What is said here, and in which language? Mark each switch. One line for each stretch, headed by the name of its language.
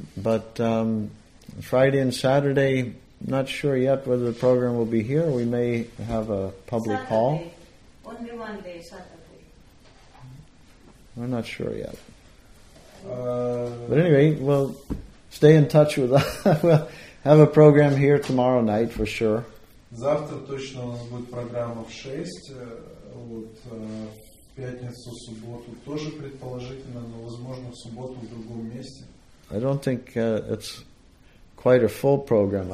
English: But Friday and Saturday, not sure yet whether the program will be here. We may have a public Saturday. Hall. Only one day, Saturday. We're not sure yet. But anyway, well, stay in touch with us. We'll have a program here tomorrow night for sure.
Russian: Завтра точно у нас будет программа в 6. Вот в пятницу, субботу тоже предположительно, но возможно в субботу в другом месте.
English: I don't think it's quite a full program.